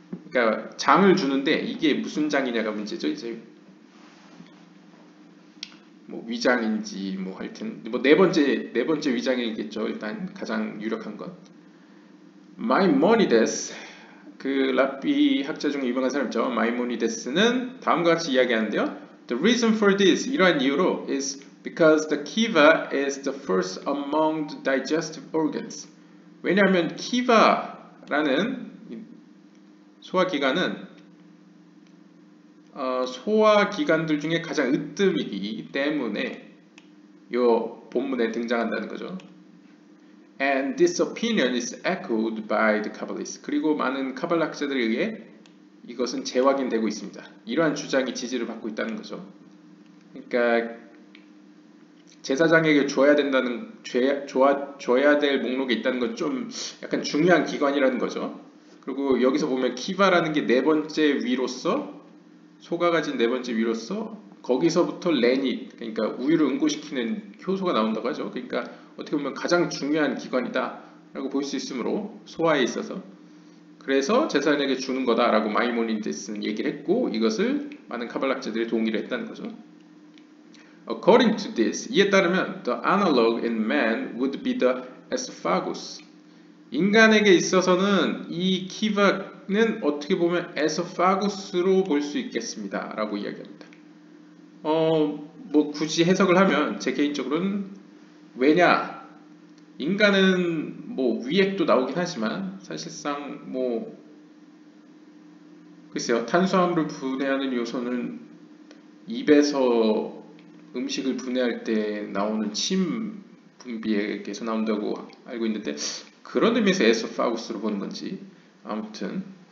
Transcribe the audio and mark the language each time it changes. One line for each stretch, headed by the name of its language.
Korean: 그러니까 장을 주는데 이게 무슨 장이냐가 문제죠. 이제 뭐 위장인지 뭐 하여튼 뭐 네 번째 위장이겠죠. 일단 가장 유력한 것. Maimonides, 그 랍비 학자 중에 유명한 사람 있죠. 마이모니데스는 다음과 같이 이야기하는데요.
English: The reason for this,
Korean: 이러한 이유로,
English: is because the kiva is the first among the digestive organs.
Korean: 왜냐하면 kiva라는 소화기관은 소화기관들 중에 가장 으뜸이기 때문에 이 본문에 등장한다는 거죠.
English: And this opinion is echoed by the Kabbalists.
Korean: 그리고 많은 카발라 학자들에 의해 이것은 재확인되고 있습니다. 이러한 주장이 지지를 받고 있다는 거죠. 그러니까 제사장에게 줘야 된다는, 줘야 될 목록이 있다는 건 좀 약간 중요한 기관이라는 거죠. 그리고 여기서 보면 kiva라는 게 네 번째 위로서, 소가 가진 네 번째 위로서 거기서부터 레닛, 그러니까 우유를 응고시키는 효소가 나온다고 하죠. 그러니까 어떻게 보면 가장 중요한 기관이다 라고 볼 수 있으므로, 소화에 있어서. 그래서 제사장에게 주는 거다라고 마이모니데스는 얘기를 했고 이것을 많은 카발락자들이 동의를 했다는 거죠.
English: According to this,
Korean: 이에 따르면
English: the analog in man would be the esophagus.
Korean: 인간에게 있어서는 이 키바는 어떻게 보면 에소파구스로 볼 수 있겠습니다. 라고 이야기합니다. 뭐 굳이 해석을 하면 제 개인적으로는 왜냐? 인간은 뭐 위액도 나오긴 하지만 사실상 뭐 글쎄요 탄수화물을 분해하는 요소는 입에서 음식을 분해할 때 나오는 침 분비액에서 나온다고 알고 있는데 그런 의미에서 에소파구스로 보는 건지 아무튼